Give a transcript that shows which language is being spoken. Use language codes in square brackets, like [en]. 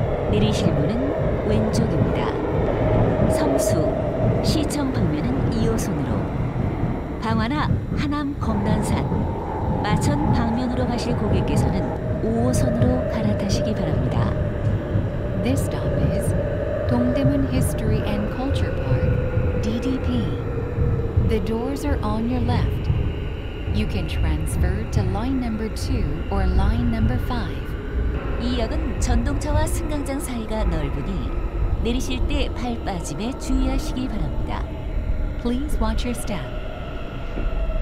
[ko] 내리실 문은 왼쪽입니다. 섬수, 시청 방면은 2호선으로 방화나 하남 검단산, 마천 방면으로 가실 고객께서는 5호선으로 갈아타시기 바랍니다. [en] This stop is 동대문 History and Culture Park, DDP. The doors are on your left. You can transfer to line number 2 or line number 5. [ko] 이 역은 전동차와 승강장 사이가 넓으니 내리실 때 발 빠짐에 주의하시기 바랍니다. [en] Please watch your step.